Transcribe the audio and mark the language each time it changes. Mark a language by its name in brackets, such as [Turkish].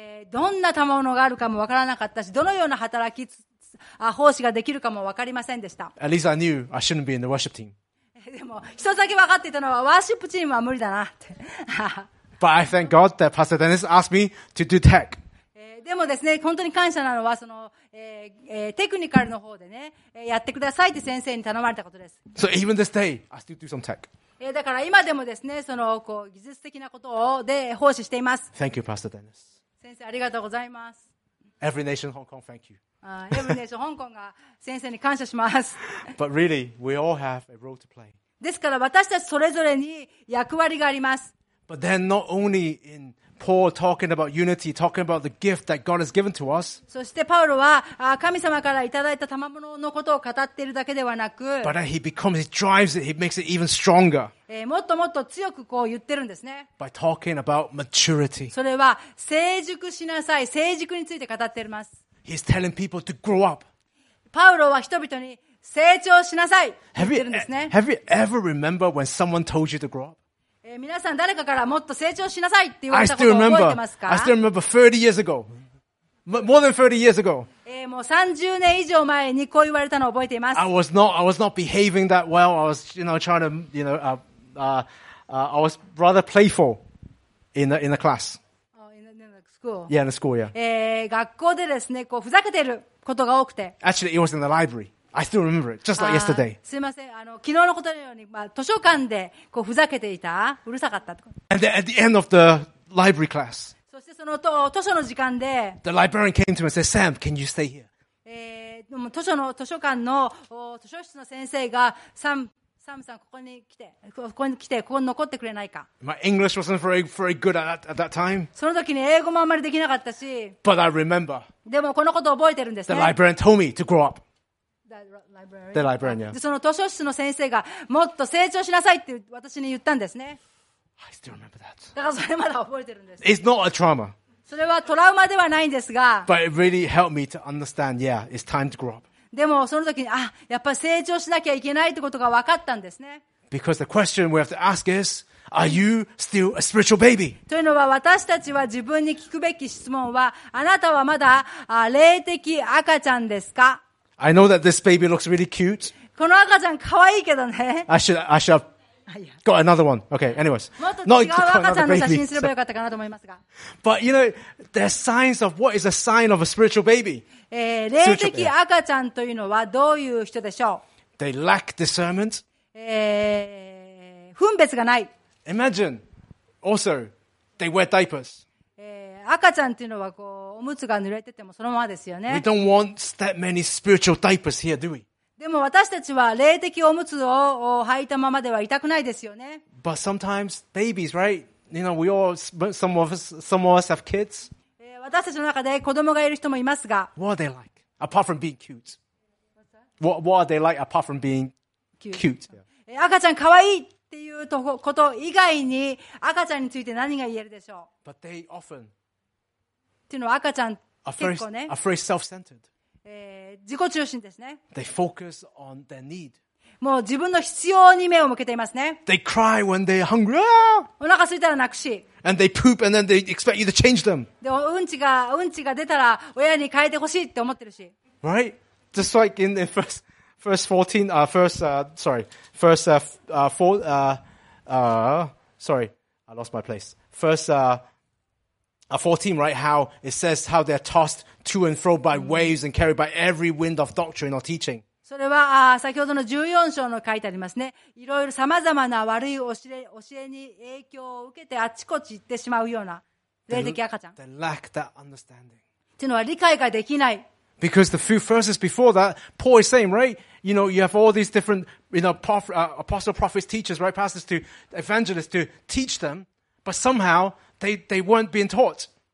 [Japanese] どんな賜物があるかも分からなかったし、どのような働き奉仕ができるかも分かりませんでした。 [English] At least I knew I shouldn't be in the worship team. [Japanese] でも一つだけ分かっていたのはワーシップチームは無理だなって。 [English] But I thank God that Pastor Dennis asked me to do tech. [Japanese] でもですね、本当に感謝なのはその、テクニカルの方でね、やってくださいって先生に頼まれたことです。 [English] So even this day, I still do some tech. [Japanese] だから今でもですね、そのこう技術的なことをで奉仕しています。 [English] Thank you, Pastor Dennis. [Japanese] 先生ありがとうございます。 [English] Every nation, Hong Kong, thank you. [Japanese] Every nation, Hong Kong が先生に感謝します。 [English] But really, we all have a role to play. [Japanese] ですから私たちそれぞれに役割があります。 [English] But then not only in Paul talking about unity, talking about the gift that God has given to us. [Japanese] そしてパウロは神様からいただいた賜物のことを語っているだけではなく、 [English] But he becomes, he drives it, he makes it even stronger. [Japanese] もっともっと強くこう言ってるんですね。 [English] By talking about maturity. [Japanese] それは成熟しなさい、成熟について語っています。 [English] He's telling people to grow up. [Japanese] パウロは人々に成長しなさい、言ってるんですね。 [English] Have you ever remember when someone told you to grow up? [Japanese] 皆さん誰かからもっと成長しなさいって言われたことを覚えてますか? [English] I still remember 30 years ago. More than 30 years ago. [Japanese] もう30年以上前にこう言われたのを覚えています。 [English] I was not behaving that well. I was, you know, trying to, you know, I was rather playful in the class. In the school. Yeah, in the school, yeah. [Japanese] 学校でですね、こうふざけてることが多くて。 [English] Actually, it was in the library. I still remember it, just like yesterday. [Japanese] すみません。昨日のことのように、図書館でこうふざけていた、うるさかったとか。 [English] And then at the end of the library class, [Japanese] そしてその図書の時間で、 [English] The librarian came to me and said, Sam, can you stay here? [Japanese] 図書館の図書室の先生が、サムさん、ここに来て、ここに残ってくれないか。 [English] My English wasn't very, very good at that time. [Japanese] その時に英語もあんまりできなかったし、 [English] But I remember. [Japanese] でもこのことを覚えてるんですね。 [English] The librarian told me to grow up. The librarian, yeah. [Japanese] その図書室の先生がもっと成長しなさいって私に言ったんですね。 [English] I still remember that. [Japanese] だからそれまだ覚えてるんです。 [English] It's not a trauma. [Japanese] それはトラウマではないんですが。 [English] But it really helped me to understand, yeah, it's time to grow up. [Japanese] でもその時に、あ、やっぱり成長しなきゃいけないってことが分かったんですね。 [English] Because the question we have to ask is, are you still a spiritual baby? [Japanese] というのは私たちは自分に聞くべき質問は、あなたはまだ霊的赤ちゃんですか? [English] I know that this baby looks really cute. [Japanese] この赤ちゃん可愛いけどね。 [English] I should have got another one. Okay, anyways. [Japanese] もっと違う赤ちゃんの写真すればよかったかなと思いますが。 [English] But you know, there are signs of what is a sign of a spiritual baby. [Japanese] 霊的赤ちゃんというのはどういう人でしょう? [English] They lack discernment. [Japanese] 分別がない。 [English] Imagine, also, they wear diapers. [Japanese] 赤ちゃんというのはこう、おむつが濡れててもそのままですよね。 [English] We don't want that many spiritual diapers here, do we? [Japanese] でも私たちは霊的おむつを履いたままでは痛くないですよね。 [English] But sometimes babies, right? You know, we all, some of us have kids. [Japanese] 私たちの中で子供がいる人もいますが。 [English] What are they like? Apart from being cute. What are they like apart from being cute? [Japanese] 赤ちゃん可愛いっていうこと以外に赤ちゃんについて何が言えるでしょう。 [English] But they often [Japanese] っていうのは赤ちゃん結構ね。 [English] Are very self-centered. [Japanese] 自己中心ですね。 [English] They focus on their need. [Japanese] もう自分の必要に目を向けていますね。 [English] They cry when they're hungry. お [Japanese] 腹空いたら泣くし。 [English] And they poop and then they expect you to change them. [Japanese] で、うんちが出たら親に変えてほしいって思ってるし。 [English] Right? Just like in the first 14, right? How it says how they're tossed to and fro by waves and carried by every wind of doctrine or teaching. [Japanese] それは先ほどの14章の書いてありますね。いろいろ様々な悪い教えに影響を受けてあちこち行ってしまうような霊的赤ちゃん。 [English] They lack that understanding. [Japanese] というのは理解ができない。 [English] Because the few verses before that, Paul is saying, right? You know, you have all these different, you know, apostle, prophets, teachers, right? Pastors to evangelists to teach them, but somehow,They weren't being taught.